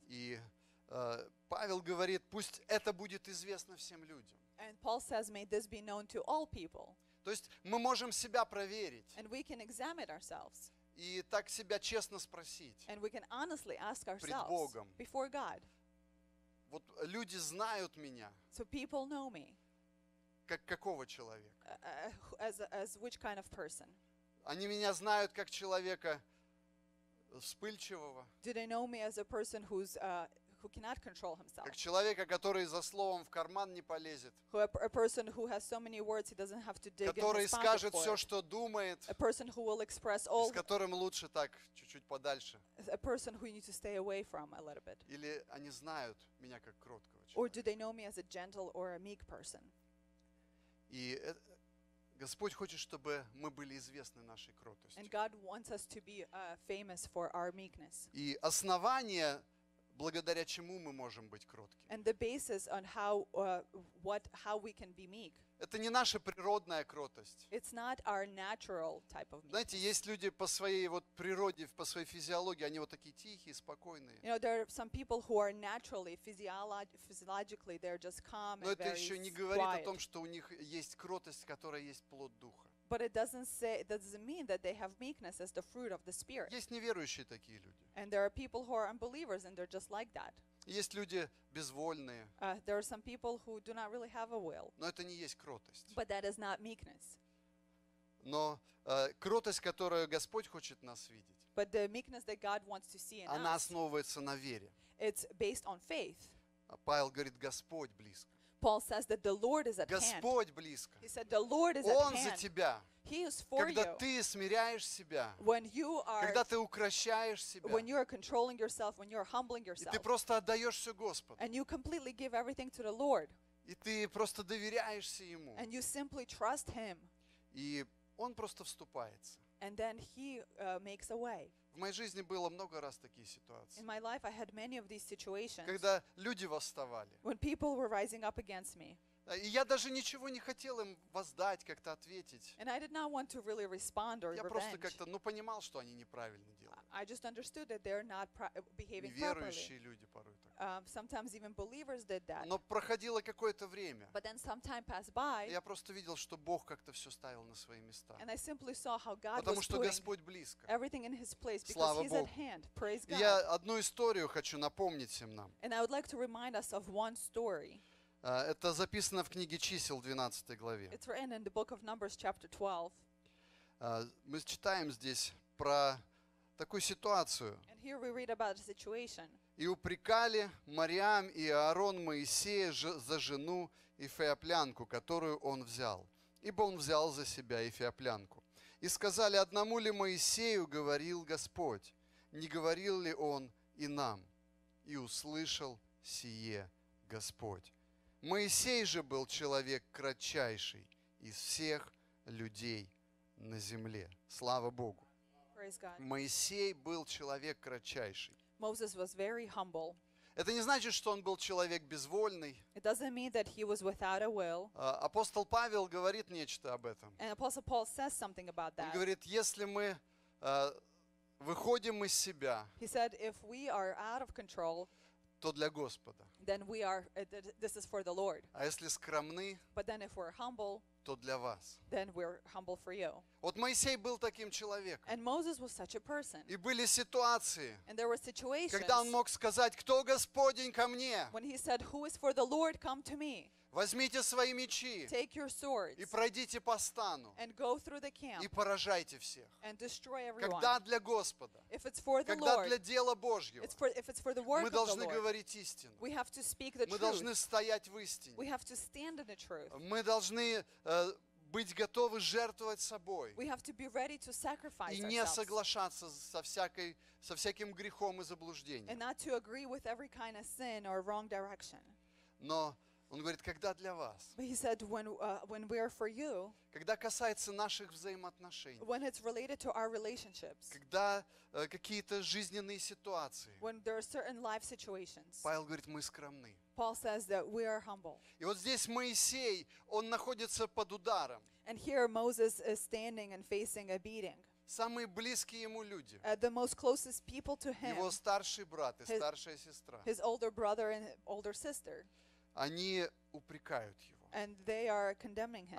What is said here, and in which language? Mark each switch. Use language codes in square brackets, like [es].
[ru] И Павел говорит, пусть это будет известно всем людям. [en] And Paul says, may this be known to all people. [ru] То есть мы можем себя проверить. [en] And we can examine ourselves. [ru] И так себя честно спросить. [en] And we can honestly ask ourselves. [ru] Пред Богом. [en] Before God. [ru] Вот люди знают меня. [en] So people know me. [ru] Как какого человека? [en] As which kind of person? [ru] Они меня знают как человека вспыльчивого. [en] Do they know me as a person who's who cannot control himself. [ru] Как человека, который за словом в карман не полезет. [en] Who a person who has so many words he doesn't have to dig. [ru] Который скажет все, что думает. [en] A person who will express all. [ru] С которым лучше так чуть-чуть подальше. [en] A person who you need to stay away from a little bit. [ru] Или они знают меня как кроткого человека. [en] Or do they know me as a gentle or a meek person? [ru] И Господь хочет, чтобы мы были известны нашей кротостью. [en] And God wants us to be famous for our meekness. [ru] И основание, благодаря чему мы можем быть кроткими. [en] And the basis on how how we can be meek. [ru] Это не наша природная кротость. [en] It's not our natural type of meekness. [ru] Знаете, есть люди по своей вот природе, по своей физиологии, они вот такие тихие, спокойные. [en] You know, there are some people who are naturally physiologically they're just calm and very quiet. [ru] Но это еще не говорит о том, что у них есть кротость, которая есть плод духа. [en] But it doesn't mean that they have meekness as the fruit of the spirit. [ru] Есть неверующие такие люди. [en] And there are people who are unbelievers and they're just like that. [ru] Есть люди безвольные. [en] There are some people who do not really have a will. [ru] Но это не есть кротость. [en] But that is not meekness. [ru] Но кротость, которую Господь хочет нас видеть. [en] But the meekness that God wants to see in us. [ru] Она основывается на вере. [en] It's based on faith. [ru] Павел говорит, Господь близко. [en] Paul says that the Lord is at hand. [ru] Господь близко. [en] He said the Lord is at hand. [ru] Он за тебя. [en] He is for [ru] когда ты смиряешь себя, [en] when you are, [ru] когда ты укрощаешь себя, [en] when you are controlling yourself, when you are humbling yourself, [ru] и ты просто отдаешь все Господу, [en] and you completely give everything to the Lord, [ru] и ты просто доверяешься Ему, [en] and you simply trust Him, [ru] и Он просто вступается, [en] and then He makes a way. [ru] В моей жизни было много раз такие ситуации, [en] in my life I had many of these situations, [ru] когда люди восставали, [en] when people were rising up against me. [ru] И я даже ничего не хотел им воздать, как-то ответить. [en] And I did not want to really respond or [ru] я [en] revenge. [ru] Просто как-то, ну, понимал, что они неправильно делают. [en] I just understood that they're not behaving properly. [ru] Неверующие люди порой так. [en] Sometimes even believers did that. [ru] Но проходило какое-то время. [en] But then some time passed by. [ru] Я просто видел, что Бог как-то все ставил на свои места. [en] And I simply saw how God [ru] потому [en] was putting [ru] Господь близко. [en] Everything in His place because [ru] слава [en] He's [ru] Богу. [en] At hand. Praise God. [ru] Я одну историю хочу напомнить всем нам. [en] And I would like to remind us of one story. [ru] Это записано в книге чисел, 12 главе. [en] It's written in the book of Numbers, chapter 12. [ru] Мы читаем здесь про такую ситуацию. [en] And here we read about a situation. [ru] И упрекали Мариам и Аарон Моисея за жену эфиоплянку, которую он взял. Ибо он взял за себя эфиоплянку. И сказали, одному ли Моисею говорил Господь, не говорил ли он и нам? И услышал сие Господь. Моисей же был человек кратчайший из всех людей на земле. Слава Богу. Моисей был человек кратчайший. [en] Moses was very humble. [ru] Это не значит, что он был человек безвольный. [en] It doesn't mean that he was without a will. [ru] Апостол Павел говорит нечто об этом. [en] And Apostle Paul says something about that. [ru] Он говорит, если мы выходим из себя, [en] he said, if we are out of control, [ru] то для Господа. [en] Then we are, this is for the Lord. [ru] А если скромны, [en] but then if we're humble, [ru] то для вас. [en] Then we're humble for you. [ru] Вот Моисей был таким человеком. [en] And Moses was such a person. [ru] И были ситуации, [en] and there were situations, [ru] когда он мог сказать, кто Господень ко мне? [en] When he said, who is for the Lord, come to me. [ru] Возьмите свои мечи, [en] take your swords, [ru] и пройдите по стану, [en] and go through the camp, [ru] и поражайте всех, [en] and destroy everyone. [ru] Когда для Господа, [en] if it's for the [ru] когда [en] Lord, [ru] для дела Божьего, [en] it's for, if it's for the work [ru] мы должны [en] of the Lord, [ru] говорить истину, [en] we have to speak the [ru] мы должны [en] truth, [ru] стоять в истине, [en] we have to stand in the truth, [ru] мы должны быть готовы жертвовать собой, [en] we have to be ready to sacrifice [ru] и не [en] ourselves, [ru] соглашаться со всяким грехом и заблуждением, [en] and not to agree with every kind of sin or wrong direction. [ru] Но он говорит, когда для вас. [en] He said, when we are for you, [ru] когда касается наших взаимоотношений. [en] When it's related to our relationships, [ru] когда какие-то жизненные ситуации. [en] When there are certain life situations, [ru] Павел говорит, мы скромны. [en] Paul says that we are humble. [ru] И вот здесь Моисей, он находится под ударом. [en] And here Moses is standing and facing a beating. [ru] Самые близкие ему люди. [en] The most closest people to him, [ru] его старший брат и старшая сестра. [en] His older brother and older sister. [ru] Они упрекают его. [en] And they are condemning him.